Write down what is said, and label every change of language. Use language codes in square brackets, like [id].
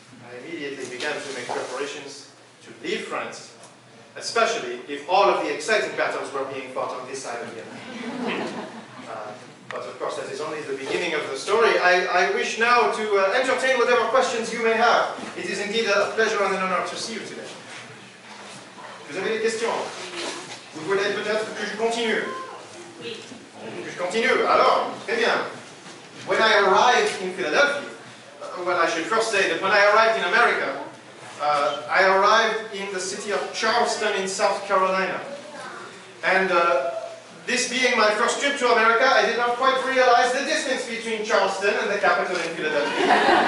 [en] I immediately began to make preparations to leave France, especially if all of the exciting battles were being fought on this side of the Atlantic. But of course, that is only the beginning of the story. I wish now to entertain whatever questions you may have. It is indeed a pleasure and an honor to see you today. [fr] Vous avez des questions? Vous voulez peut-être que je continue? Oui. Que je continue? Alors, très bien. [en] When I arrived in Philadelphia, well, I should first say that when I arrived in America, I arrived in the city of Charleston in South Carolina. And this being my first trip to America, I did not quite realize the distance between Charleston and the capital in Philadelphia.